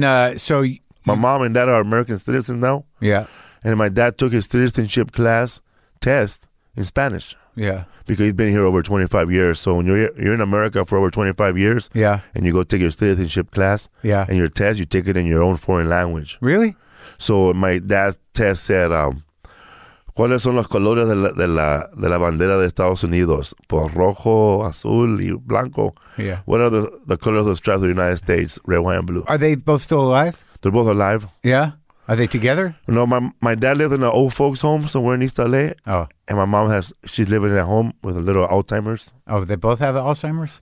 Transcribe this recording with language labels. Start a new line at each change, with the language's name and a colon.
English: my mom and dad are American citizens now. Yeah. And my dad took his citizenship class test in Spanish. Yeah. Because he's been here over 25 years. So when you're in America for over 25 years. Yeah. And you go take your citizenship class. Yeah. And your test, you take it in your own foreign language. Really? So my dad's test said,
Spanish: ¿cuáles son los colores de la bandera de Estados Unidos? Por rojo, azul y blanco.
English: Yeah. What are the colors of the stripes of the United States? Red, white, and blue. Are they both still alive? They're both alive. Yeah? Are they together? No, my dad lived in an old folks home somewhere in East LA. Oh. And my mom she's living at home with a little Alzheimer's. Oh, they both have Alzheimer's?